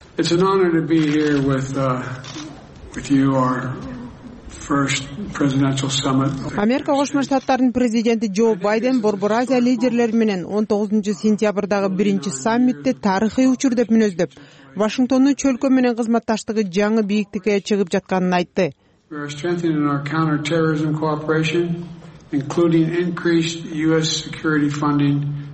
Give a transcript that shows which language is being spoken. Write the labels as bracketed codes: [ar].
[en] It's an honor to be here with you our first presidential summit. [ky] Америка Кошмо Штаттардын президенти Джо Байден Борбор Азия лидерлери менен 19 сентябрдагы биринчи саммитте тарыхый учур деп мүнөздөп, Вашингтондун чөлкө менен кызматташтыгы жаңы бийиктикке чыгып жатканын айтты. [en] We are strengthening our counter-terrorism cooperation, including increased US security funding.